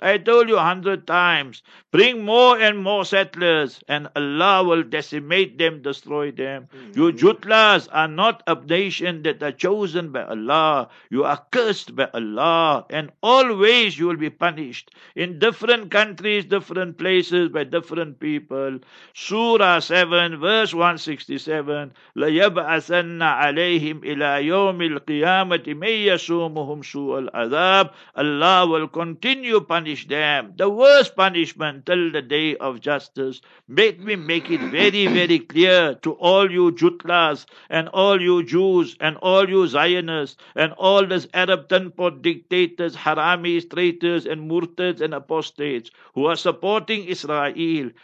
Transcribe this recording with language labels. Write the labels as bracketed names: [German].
[English] I told you 100 times, bring more and more settlers and Allah will decimate them, destroy them. Mm-hmm. You jutlas are not a nation that are chosen by Allah. You are cursed by Allah, and always you will be punished in different countries, different places, by different people. Surah 7, verse 167, [Arabic] لَيَبْعَثَنَّ عَلَيْهِمْ إِلَىٰ يَوْمِ الْقِيَامَةِ مَنْ يَسُومُهُمْ سُوَ الْعَذَابِ. [English] Allah will continue punish them, the worst punishment, till the day of justice. Make me make it very, very clear to all you Jutlas and all you Jews and all you Zionists and all these Arab tenpot dictators, haramis, traitors and murtads and apostates who are supporting Israel.